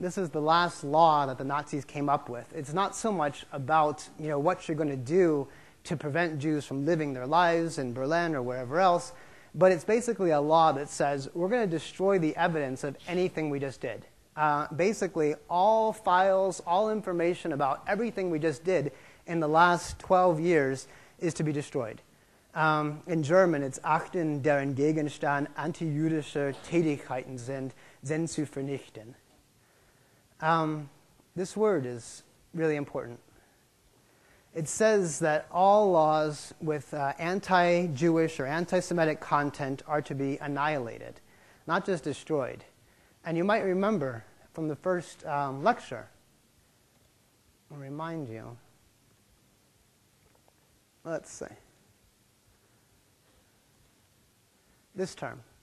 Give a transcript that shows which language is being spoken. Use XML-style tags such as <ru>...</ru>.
<en>This is the last law that the Nazis came up with. It's not so much about, you know, what you're going to do to prevent Jews from living their lives in Berlin or wherever else. But it's basically a law that says, we're going to destroy the evidence of anything we just did. Basically, all files, all information about everything we just did in the last 12 years is to be destroyed. In German, it's</en> <de>achten deren Gegenstand antijüdische Tätigkeiten sind zu vernichten.</de> <en>This word is really important. It says that all laws with anti-Jewish or anti-Semitic content are to be annihilated, not just destroyed. And you might remember from the first lecture, I'll remind you, let's see, this term.</en>